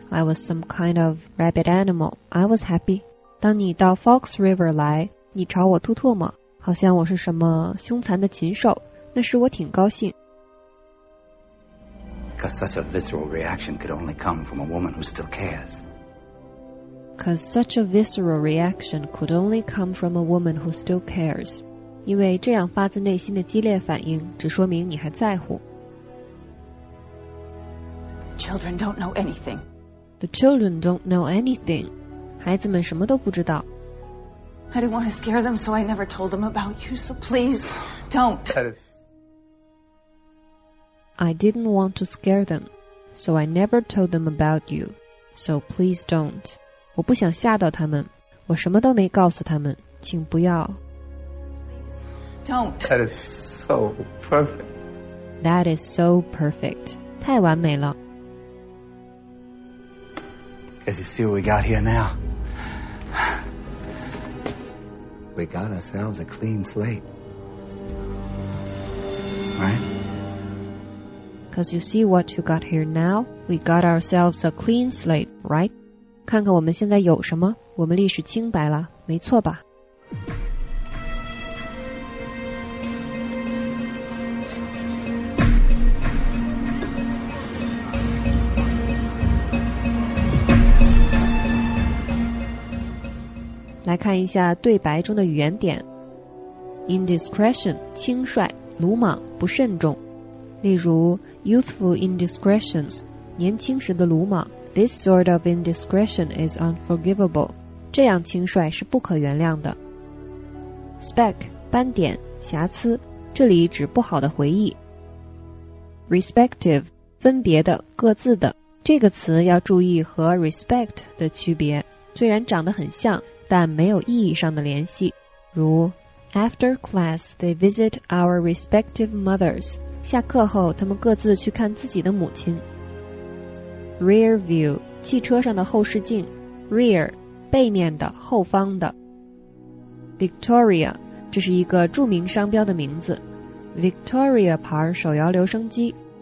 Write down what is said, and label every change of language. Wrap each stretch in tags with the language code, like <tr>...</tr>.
<en>I was some kind of rabbit animal. I was happy.</en> <zh>当你到 Fox River 来，你朝我吐唾沫，好像我是什么凶残的禽兽，那时我挺高兴。</zh> <en>Because such a visceral reaction could only come from a woman who still cares. Because such a visceral reaction could only come from a woman who still cares.</en> <zh>因为这样发自内心的激烈反应，只说明你还在乎。</zh> <en>Children don't know anything. The children don't know anything.</en> <zh>孩子们什么都不知道。</zh> <en>I didn't want to scare them, so I never told them about you. So please, don't. I didn't want to scare them, so I never told them about you. So please don't.</en> <zh>我不想吓到他们，我什么都没告诉他们，请不要。</zh> <en>Please, don't. That is so perfect. That is so perfect.</en> <zh>太完美了。</zh> <en>Guess you see what we got here now. We got ourselves a clean slate. Right? Because you see what you got here now, we got ourselves a clean slate, right?</en> <zh>看看我们现在有什么，我们历史清白了，没错吧？来看一下对白中的语言点。 Indiscretion, 轻率，鲁莽，不慎重。例如</zh> <en>Youthful indiscretions,</en> <zh>年轻时的鲁莽。</zh> <en>This sort of indiscretion is unforgivable.</en> <zh>这样轻率是不可原谅的。 Speck, 斑点、瑕疵，这里指不好的回忆。 Respective, 分别的、各自的，这个词要注意和 respect 的区别。虽然长得很像，但没有意义上的联系。如</zh> <en>After class, they visit our respective mothers.</en> <zh>下课后他们各自去看自己的母亲。 Rear view, 汽车上的后视镜。Rear, 背面的，后方的。 Victoria, 这是一个著名商标的名字。 Victoria 牌手摇留声机。</zh>